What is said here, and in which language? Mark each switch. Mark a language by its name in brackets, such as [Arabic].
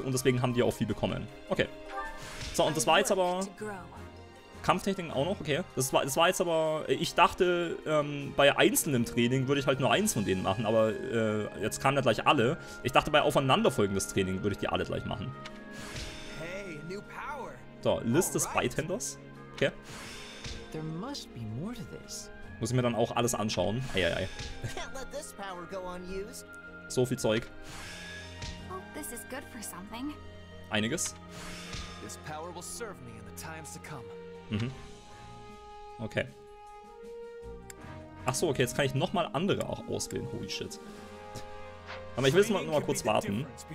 [German] Und deswegen haben die auch viel bekommen. Okay. So, und das war jetzt aber... Kampftechniken auch noch, okay. Das war jetzt aber, ich dachte, bei einzelnen Training würde ich halt nur eins von denen machen, aber jetzt kamen ja gleich alle. Ich dachte, bei aufeinanderfolgendes Training würde ich die alle gleich machen. [English] Hey, new power. [German] So, List des Beithänders. Okay. [English] There must be more to this. [German] Muss ich mir dann auch alles anschauen. Eieiei. [English] Can't let this power go unused. [German] So viel Zeug. [English] Hope this is good for something. [German] Einiges. [English] This power will serve me in the times to come. Mhm. Okay. [German] Achso, okay, jetzt kann ich nochmal andere auch auswählen. Holy shit. Aber ich will jetzt nochmal kurz warten.